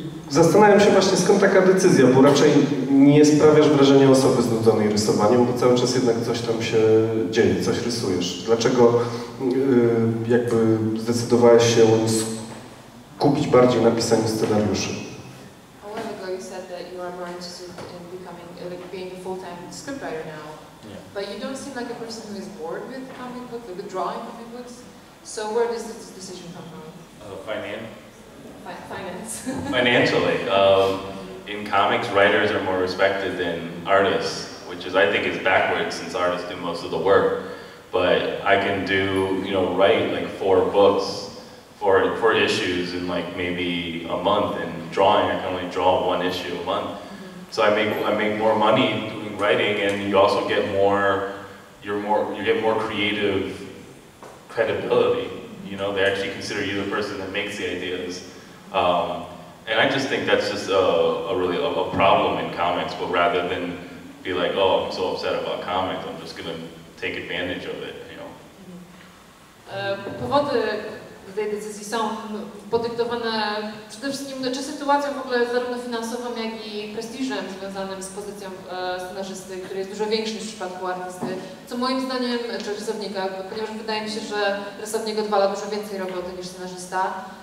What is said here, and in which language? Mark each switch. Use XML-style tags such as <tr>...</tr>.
<pl>Zastanawiam się właśnie, skąd taka decyzja, bo raczej nie sprawiasz wrażenia osoby znudzonej rysowaniem, bo cały czas jednak coś tam się dzieje, coś rysujesz. Dlaczego jakby zdecydowałeś się skupić bardziej na pisaniu scenariuszy?</pl> <en>A while ago you said that you are more interested in becoming, like being a full-time scriptwriter now. Yeah. But you don't seem like a person who is bored with comic books, like the drawing of comic books. So where does this decision come from? Finance. Financially. In comics, writers are more respected than artists, which is, I think, is backwards since artists do most of the work. But I can do, you know, write like four books, four issues in like maybe a month, and drawing, I can only draw one issue a month. Mm-hmm. So I make more money doing writing, and you also get more creative credibility. You know, they actually consider you the person that makes the ideas. And I just think that's just a problem in comics, but rather than be like, oh, I'm so upset about comics, I'm just gonna take advantage of it, you know.</en> <pl>Powody tej decyzji są podyktowane przede wszystkim, czy sytuacją w ogóle zarówno finansową, jak i prestiżem związanym z pozycją scenarzysty, który jest dużo większy niż w przypadku artysty, co moim zdaniem, czy rysownika, ponieważ wydaje mi się, że rysownik odwala dużo więcej roboty niż scenarzysta.</pl>